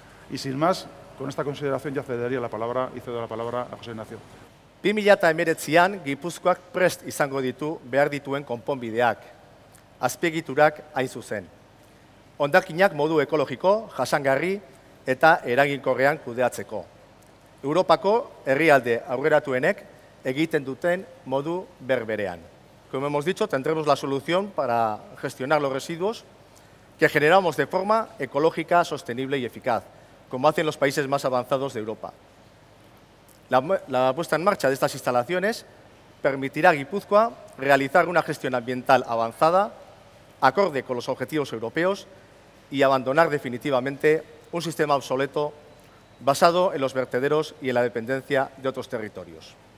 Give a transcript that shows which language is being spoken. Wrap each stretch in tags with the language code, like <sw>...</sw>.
<es>Y sin más, con esta consideración ya cedo la palabra a José Ignacio.</es> <eu>2019an Gipuzkoak prest izango ditu behar dituen konponbideak, azpiegiturak hain zuzen. Hondakinak modu ekologiko, jasangarri eta eraginkorrean kudeatzeko. Europako herrialde aurreratuenek egiten duten modu berberean.</eu> <es>Como hemos dicho, tendremos la solución para gestionar los residuos que generamos de forma ecológica, sostenible y eficaz, como hacen los países más avanzados de Europa. La puesta en marcha de estas instalaciones permitirá a Gipuzkoa realizar una gestión ambiental avanzada, acorde con los objetivos europeos, y abandonar definitivamente un sistema obsoleto basado en los vertederos y en la dependencia de otros territorios.</es>